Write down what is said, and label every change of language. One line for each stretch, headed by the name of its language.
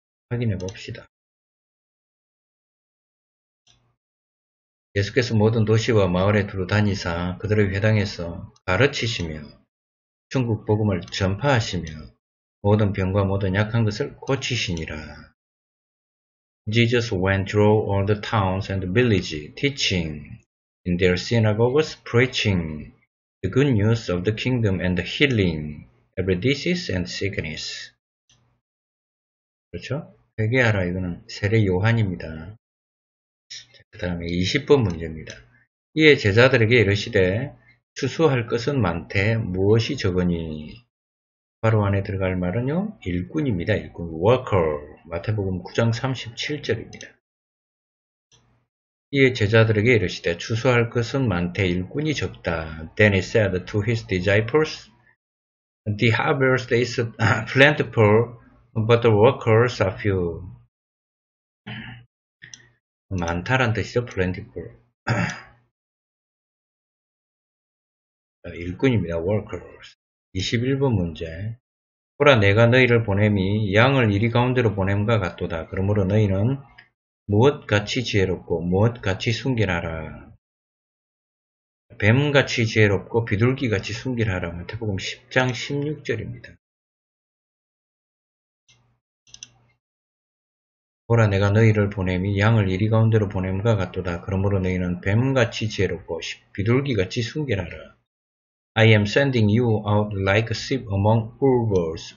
Korean: 확인해 봅시다. 예수께서 모든 도시와 마을에 두루 다니사 그들의 회당에서 가르치시며 천국 복음을 전파하시며 모든 병과 모든 약한 것을 고치시니라.
English: Jesus went through all the towns and villages teaching in their synagogues preaching the good news of the kingdom and healing every disease and sickness.
Korean: 그렇죠? 회개하라. 이거는 세례 요한입니다. 그 다음에 20번 문제입니다. 이에 제자들에게 이르시되 추수할 것은 많되 무엇이 적으니? 바로 안에 들어갈 말은요. 일꾼입니다. 일꾼. worker. 마태복음 9장 37절입니다. 이에 제자들에게 이르시되 추수할 것은 많되 일꾼이 적다.
English: Then he said to his disciples, The harvest is plentiful, but the workers are few.
Korean: 많다란 뜻이죠. plentiful. 일꾼입니다. workers. 21번 문제. 보라 내가 너희를 보냄이 양을 이리 가운데로 보냄과 같도다. 그러므로 너희는 무엇같이 지혜롭고 무엇같이 순결하라. 뱀같이 지혜롭고 비둘기같이 순결하라. 마태복음 10장 16절입니다. 보라, 내가 너희를 보냄이 양을 이리 가운데로 보냄과 같도다. 그러므로 너희는 뱀같이 지혜롭고 비둘기같이 순결하라.
English: I am sending you out like a sheep among wolves.